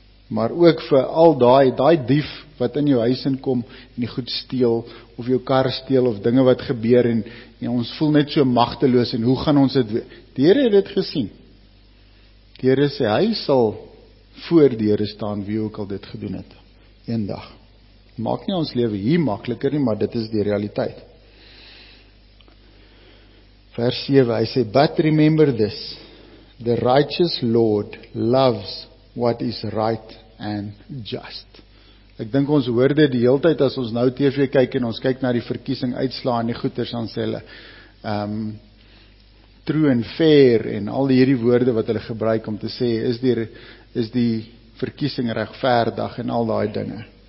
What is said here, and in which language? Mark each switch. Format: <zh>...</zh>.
<af>Maar ook vir al daai dief wat in jou huis inkom, en die goed steel, of jou kar steel, of dinge wat gebeur, en ons voel net so magteloos, en hoe gaan ons dit doen? Die Here het dit gesien. Die Here sê, hy sal voor die Here staan, wie ook al dit gedoen het, eendag. Maak nie ons lewe hier makliker nie, maar dit is die realiteit. Vers 7, hy sê,</af> <en>but remember this, the righteous Lord loves what is right and just.</en> <af>Ek dink ons hoor dit die hele tyd, as ons nou TV kyk, en ons kyk na die verkiesing uitslaan, en die goeders aan sê hulle,</af> <en>true and fair,</en> <af>en al hierdie woorde wat hulle gebruik om te sê, is die verkiesing regverdig en al die dinge.</af>